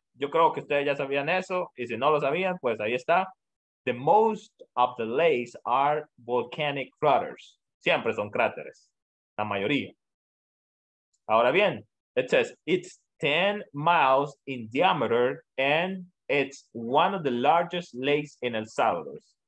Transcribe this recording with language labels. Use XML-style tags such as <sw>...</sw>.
<es>Yo creo que ustedes ya sabían eso, y si no lo sabían, pues ahí está.</es> <en>The most of the lakes are volcanic craters.</en> <es>Siempre son cráteres, la mayoría. Ahora bien,</es> <en>it says it's 10 miles in diameter and it's one of the largest lakes in El Salvador.</en>